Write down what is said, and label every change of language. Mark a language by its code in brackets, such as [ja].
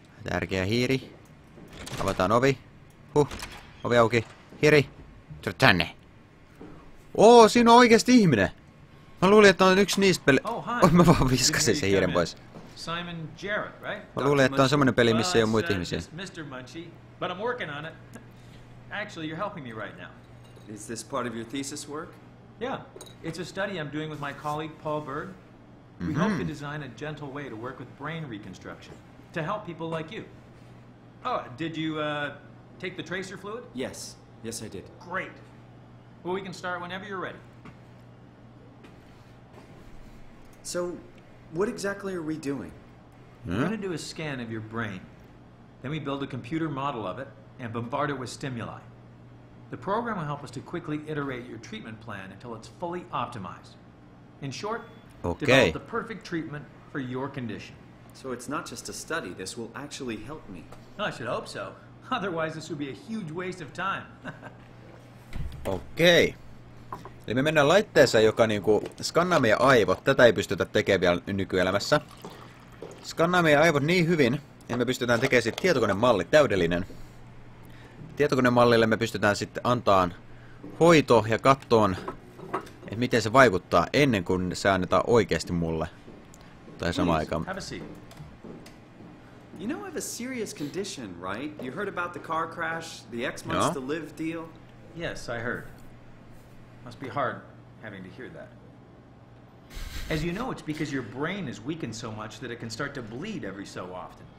[fi] Tärkeä hiiri. Avataan ovi. Ovi auki. Hiiri! Tule tänne! Oo, siinä on oikeesti ihminen! Mä luulin, että on yksi niistä peli... Oi, mä vaan viskasin sen hiiren pois. [en] Simon Jarrett, right? [fi] Mä luulen, että on semmonen peli, missä ei oo muita ihmisiä. [en] Mr. Munchie, but I'm working on it. Actually, you're helping me right now. Is this part of your thesis work? Yeah, it's a study I'm doing with my colleague Paul Bird. We hope to design a gentle way to work with brain reconstruction. To help people like you. Oh, did you, take the tracer fluid? Yes, I did. Great. Well, we can start whenever you're ready. So... What exactly are we doing? We're gonna do a scan of your brain. Then we build a computer model of it and bombard it with stimuli. The program will help us to quickly iterate your treatment plan until it's fully optimized. In short, develop the perfect treatment for your condition. So it's not just a study, this will actually help me. I should hope so. Otherwise this would be a huge waste of time. Okay. [fi] Eli me mennään laitteeseen, joka niinku skannaa meidän aivot. Tätä ei pystytä tekemään vielä nykyelämässä. Skannaa meidän aivot niin hyvin, että me pystytään tekemään sitten tietokonemalli täydellinen. Tietokonemallille me pystytään sitten antaan hoito ja kattoon, että miten se vaikuttaa ennen kuin se annetaan oikeasti mulle. Tai samaan aikaan. [en] You know I have a serious condition, right? You heard about the car crash, the X months to live deal? Yes, I heard. Must be hard having to hear that. As you know, it's because your brain is weakened so much that it can start to bleed every so often.